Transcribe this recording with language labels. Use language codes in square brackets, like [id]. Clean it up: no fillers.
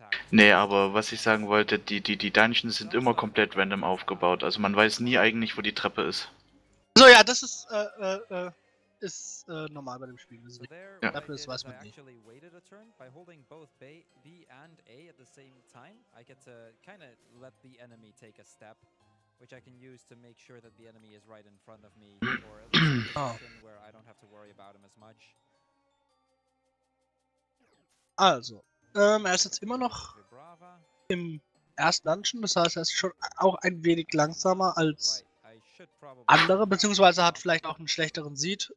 [de] Nee, aber was ich sagen wollte, die Dungeons sind immer komplett random aufgebaut. Also man weiß nie eigentlich, wo die Treppe ist. So, ja, das ist, normal bei dem Spiel. Also, ja. Treppe ist, weiß man nicht. Bei [en] Turn, by holding both B and A at the same time, I get to kind of let the enemy take a step, which I can use to make sure that the enemy is right in front of me, or at least in a position where I don't have to worry about him as much. [de] Also, er ist jetzt immer noch im ersten Dungeon, das heißt, er ist schon auch ein wenig langsamer als andere, beziehungsweise hat vielleicht auch einen schlechteren Seed.